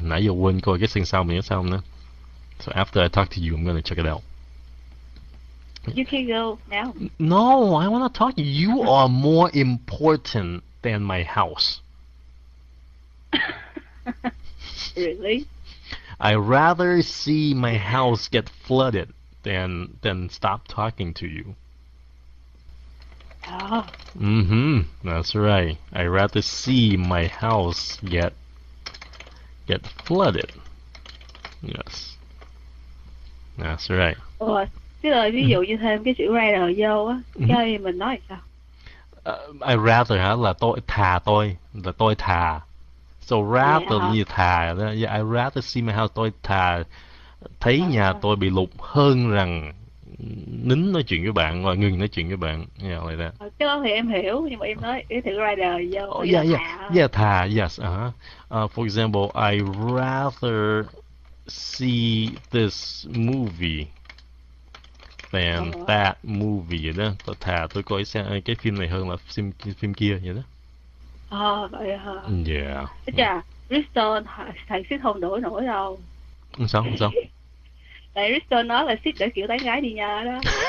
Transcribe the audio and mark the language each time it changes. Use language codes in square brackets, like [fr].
[vi] Nãy giờ quên coi cái sinh sao mình sao nữa. [en] So after I talk to you, I'm gonna check it out. You can go now. No, I wanna talk. You are more important than my house. Really? I rather see my house get flooded than stop talking to you. Oh. That's right. I rather see my house get flooded. Yes. That's right. [vi] Ủa, tức là ví dụ như thêm cái chữ rather vô á, cái mình nói sao? [en] I rather [vi] hả là tôi thà tôi là tôi thà. [en] So [vi] Vậy [en] rather [vi] hả? như thà, [en] yeah, I rather see my house, [vi] tôi thà thấy À. nhà tôi bị lụt hơn rằng nín nói chuyện với bạn và ngừng nói chuyện với bạn, yeah, Cái đó thì em hiểu nhưng mà em nói cái thử ra đời vô [en] Oh [vi] có nghĩa là thả [en] yeah, thà, yes, for example, I rather see this movie than [vi] ủa [en] that movie [vi] vậy đó, tôi thà tôi coi cái phim này hơn là phim kia vậy đó. à, vậy hả [en] Yeah. [vi] chà Kristen thầy sẽ không đổi nổi đâu Sao tại sao? Kristen nói là ship để kiểu tán gái đi nhà đó